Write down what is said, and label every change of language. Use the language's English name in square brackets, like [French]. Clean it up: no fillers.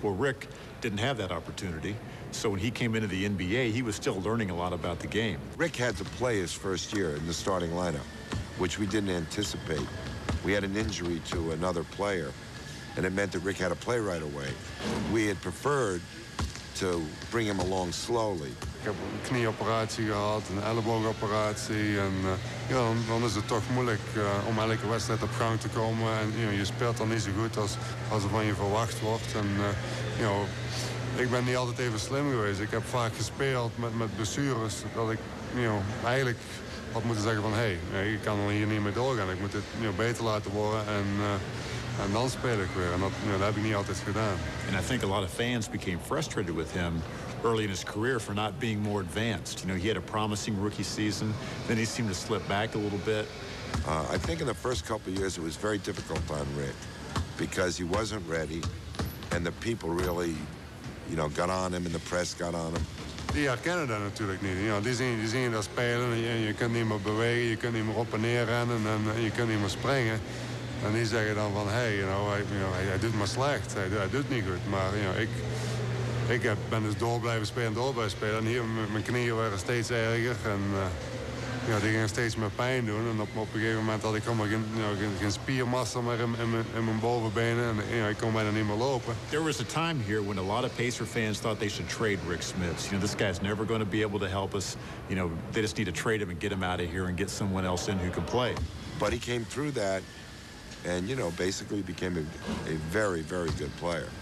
[English] Well, Rick didn't have that opportunity. So when he came into the NBA, he was still learning a lot about the game. Rick had to play his first year in the starting lineup, which we didn't anticipate. We had an injury to another player, and it meant that Rick had to play right away. We had preferred to bring him along slowly. [Dutch] Ik heb een knieoperatie gehad, een elleboogoperatie. En ja, dan is het toch moeilijk om elke wedstrijd op gang te komen. En [English] you know, [Dutch] je speelt dan niet zo goed als er van je verwacht wordt. En [English] you know, [Dutch] ik ben niet altijd even slim geweest. Ik heb vaak gespeeld met blessures dat ik [English] you know, [Dutch] eigenlijk had moeten zeggen van hey, ik kan hier niet mee doorgaan. Ik moet dit [English] you know, [Dutch] beter laten worden. En dan speel ik weer. En dat, you know, dat heb ik niet altijd gedaan. [English] And I think a lot of fans became frustrated with him early in his career for not being more advanced. You know, he had a promising rookie season. Then he seemed to slip back a little bit. I think in the first couple of years, it was very difficult on Rick because he wasn't ready. And the people really, you know, got on him and the press got on him. [Dutch] Die herkennen dat natuurlijk niet. [English] You know, [Dutch] die zien dat spelen en je kunt niet meer bewegen. Je kunt niet meer op en neer rennen en je kunt niet meer springen. En die zeggen dan van, hey, hij doet maar slecht. Hij doet niet goed. Maar [English] you know, [Dutch] ik ben dus door blijven spelen. En hier, mijn knieën waren steeds erger. En die gingen steeds meer pijn doen. En op een gegeven moment had ik helemaal geen spiermassa meer in mijn bovenbenen. En ik kon bijna niet meer lopen. [English] There was a time here when a lot of Pacer fans thought they should trade Rik Smits. You know, this guy's never going to be able to help us. You know, they just need to trade him and get him out of here and get someone else in who can play. But he came through that. And, you know, basically became a very, very good player.